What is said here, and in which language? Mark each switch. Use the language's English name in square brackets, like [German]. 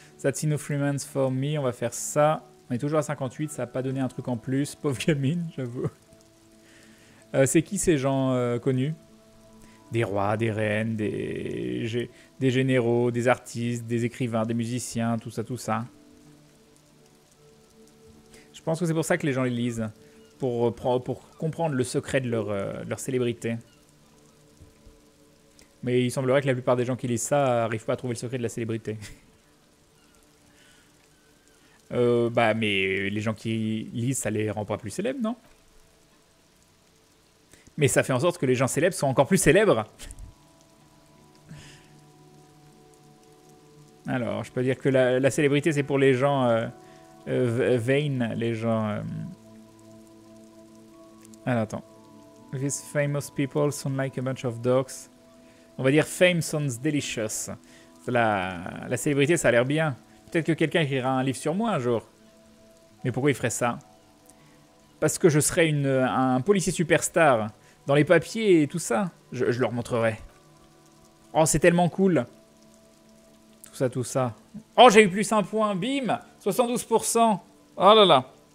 [English] That's enough remains for me. [French] On va faire ça. On est toujours à 58, ça n'a pas donné un truc en plus. Pauvre gamine, j'avoue. C'est qui ces gens connus? Des rois, des reines, des généraux, des artistes, des écrivains, des musiciens, tout ça, tout ça. Je pense que c'est pour ça que les gens les lisent, pour comprendre le secret de leur célébrité. Mais il semblerait que la plupart des gens qui lisent ça n'arrivent pas à trouver le secret de la célébrité. Bah, mais les gens qui lisent, ça les rend pas plus célèbres, non? Mais ça fait en sorte que les gens célèbres sont encore plus célèbres. Alors, je peux dire que la célébrité, c'est pour les gens vain, les gens. Alors, attends. [English] These famous people sound like a bunch of dogs. [French] On va dire [English] fame sounds delicious. [French] La célébrité, ça a l'air bien. Peut-être que quelqu'un écrira un livre sur moi un jour. Mais pourquoi il ferait ça? Parce que je serais un policier superstar. Dans les papiers et tout ça, je leur montrerai. Oh, c'est tellement cool. Tout ça, tout ça. Oh, j'ai eu plus un point. Bim! 72%. Oh là là.